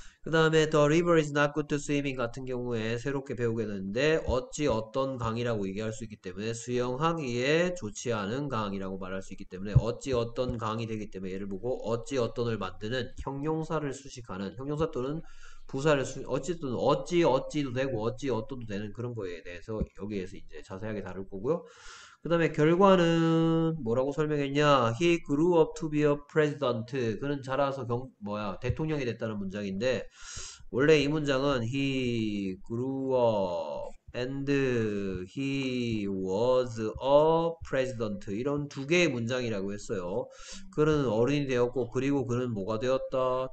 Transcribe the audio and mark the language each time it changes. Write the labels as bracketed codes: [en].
[ko] 다음에 [en] The river is not good to swimming [ko] 같은 경우에 새롭게 배우게 되는데 어찌 어떤 강이라고 얘기할 수 있기 때문에 수영하기에 좋지 않은 강이라고 말할 수 있기 때문에 어찌 어떤 강이 되기 때문에 예를 보고 어찌 어떤을 만드는 형용사를 수식하는 형용사 또는 부사를 어쨌든 어찌 어찌도 되고 어찌 어떤도 되는 그런 거에 대해서 여기에서 이제 자세하게 다룰 거고요. 그다음에 결과는 뭐라고 설명했냐? [en] He grew up to be a president. [ko] 그는 자라서 뭐야 대통령이 됐다는 문장인데 원래 이 문장은 [en] He grew up and he was a president. [ko] 이런 두 개의 문장이라고 했어요. 그는 어른이 되었고 그리고 그는 뭐가 되었다?